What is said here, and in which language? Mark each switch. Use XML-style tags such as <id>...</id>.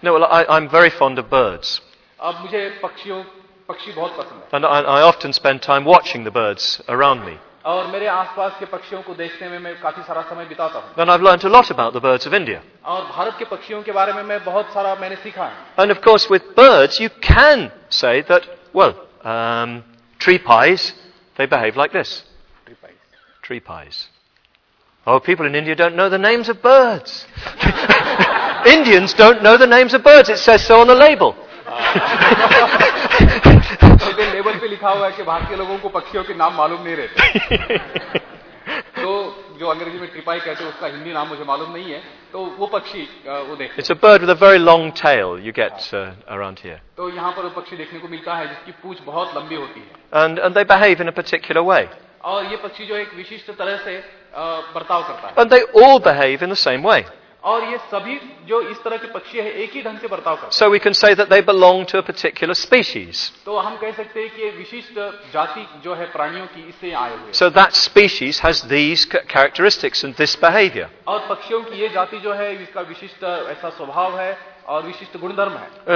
<en>No, well, I'm very fond of birds.</en> <hi>अब मुझे पक्षी बहुत पसंद है.</hi> <en>And I often spend time watching the birds around me.</en> <hi>और मेरे आसपास के पक्षियों को देखने में मैं काफी सारा समय बिताता हूँ.</hi> <en>And I've learned a lot about the birds of India.</en> <hi>और भारत के पक्षियों के बारे में मैं बहुत सारा मैंने सीखा है.</hi> <en>And of course with birds you can say that well tree pies they behave like this. Tree pies. Oh, people in India don't know the names of birds. Indians don't know the names of birds. It says so on the label.</en> <hi>Label पे लिखा हुआ है कि भारतीय लोगों को पक्षियों के नाम मालूम नहीं रहते. तो जो अंग्रेजी में ट्रिपाई कहते हैं उसका हिंदी नाम मुझे मालूम नहीं है. तो वो पक्षी वो देखते.</hi> <en>It's a bird with a very long tail you get around here.</en> <hi>तो यहाँ पर वो पक्षी देखने को मिलता है जिसकी पूंछ बहुत लंबी होती है.</hi> <en>And they behave in a particular way.</en> <hi>और ये पक्षी जो एक विशिष्ट तरह से बर्ताव करता है.</hi> <en>And they all behave in the same way.</en> <hi>और ये सभी जो इस तरह के पक्षी है एक ही ढंग से बर्ताव करते हैं.</hi> <en>So we can say that they belong to a particular species.</en> <hi>तो हम कह सकते हैं कि ये विशिष्ट जाति जो है प्राणियों की इससे आए हुए.</hi> <en>So that species has these characteristics and this behavior.</en> <hi>और पक्षियों की ये जाति जो है इसका विशिष्ट ऐसा स्वभाव है और विशिष्ट गुणधर्म है.</hi>